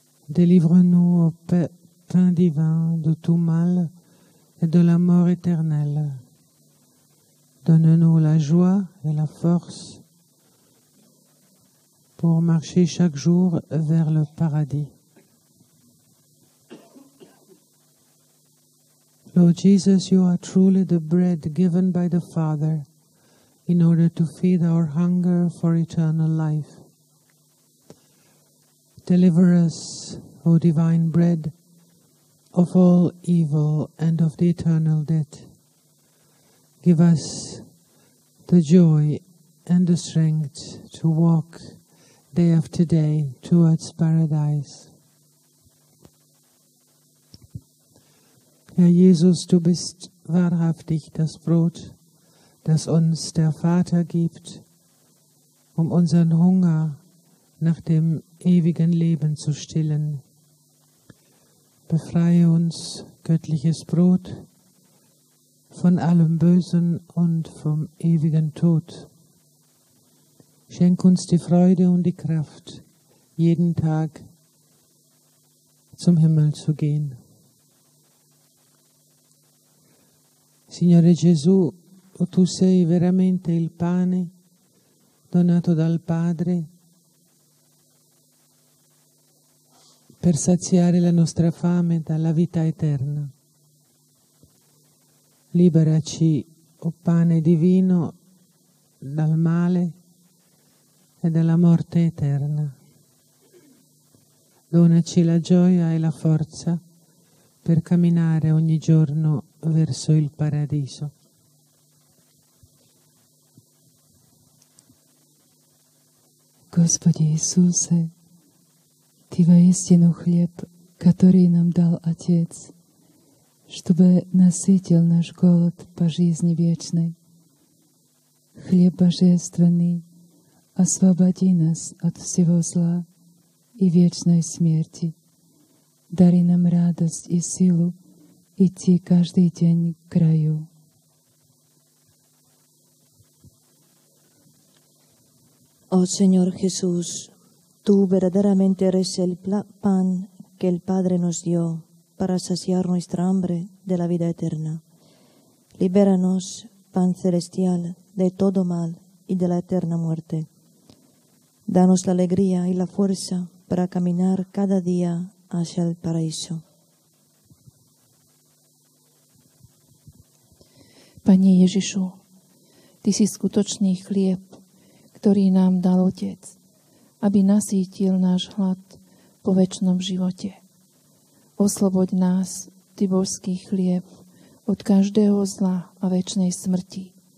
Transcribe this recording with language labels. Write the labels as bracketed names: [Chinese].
[French] Délivre-nous, ô pain divin, de tout mal et de la mort éternelle. Donne-nous la joie et la force pour marcher chaque jour vers le paradis. [English] Lord Jesus, you are truly the bread given by the Father in order to feed our hunger for eternal life. Deliver us, O divine bread, of all evil and of the eternal death. Give us the joy and the strength to walk day after day towards paradise. [German] Herr Jesus, du bist wahrhaftig das Brot, das uns der Vater gibt, um unseren Hunger nach dem ewigen Leben zu stillen. Befreie uns, göttliches Brot, von allem Bösen und vom ewigen Tod. Schenk uns die Freude und die Kraft, jeden Tag zum Himmel zu gehen. [Italian] Signore Gesù, tu sei veramente il pane donato dal Padre per saziare la nostra fame dalla vita eterna. Liberaci, o pane divino, dal male e dalla morte eterna. Donaci la gioia e la forza per camminare ogni giorno verso il paradiso. [Russian] Господи Иисусе, Ты воистину хлеб, который нам дал Отец, чтобы насытил наш голод по жизни вечной. Хлеб божественный, освободи нас от всего зла и вечной смерти. Дари нам радость и силу идти каждый день к краю. [Spanish] О, Señor Jesús, Tú verdaderamente eres el pan que el Padre nos dio para saciar nuestra hambre de la vida eterna. Libéranos, pan celestial, de todo mal y de la eterna muerte. Danos la alegría y la fuerza para caminar cada día hacia el paraíso. [Slovak] Pane Ježišu, Ty si skutočný chlieb, ktorý nám dal Otec, aby nasýtil náš hlad po večnom živote. Osloboď nás, Ty božský chlieb, od každého zla a večnej smrti.